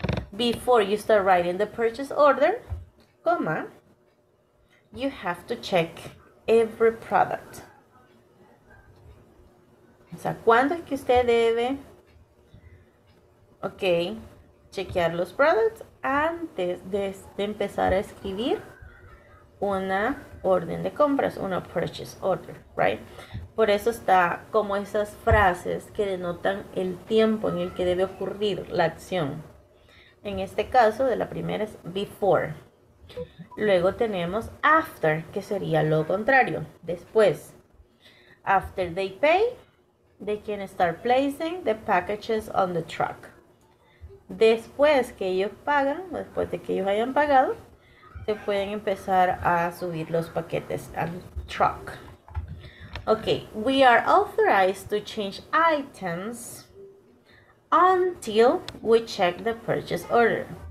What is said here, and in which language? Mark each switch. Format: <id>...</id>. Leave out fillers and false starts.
<en>Before you start writing the purchase order, comma, you have to check every product.</en> <es>O sea, ¿cuándo es que usted debe, okay, chequear los products antes de empezar a escribir una orden de compras, una purchase order, right? Por eso está como esas frases que denotan el tiempo en el que debe ocurrir la acción. En este caso, de la primera es before. Luego tenemos after, que sería lo contrario, después.</es> <en>After they pay, they can start placing the packages on the truck.</en> <es>Después que ellos pagan, después de que ellos hayan pagado, se pueden empezar a subir los paquetes al truck.</es> <en>Ok, we are authorized to change items until we check the purchase order.</en>